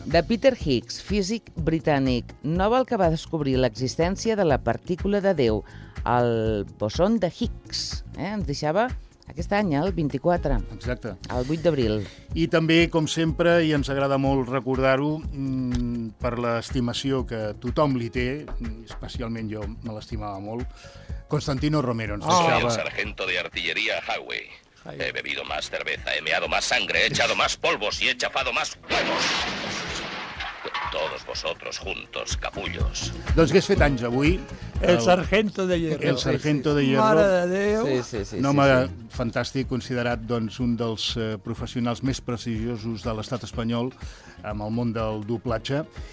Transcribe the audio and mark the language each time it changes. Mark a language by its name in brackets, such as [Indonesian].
[Catalan] De Peter Higgs, físic britànic, Nobel que va descobrir l'existència de la partícula de Déu, el bosó de Higgs. Ens deixava... aquest any, el 24. Exacte. El 8 d'abril. I també, com sempre, i ens agrada molt recordar-ho, per l'estimació que tothom li té, especialment jo me l'estimava molt, Constantino Romero ens deixava... [Spanish] Soy el sargento de artillería Howey. He bebido más cerveza, he meado más sangre, he echado más polvos y he chafado más huevos. Todos vosotros juntos, capullos. [Catalan] Doncs hagués fet anys avui. [Spanish] El sargento de hierro. El sargento de hierro. [Catalan] Mare de Déu. Un home fantàstic, considerat doncs, un dels professionals més prestigiosos de l'estat espanyol en el món del doblatge.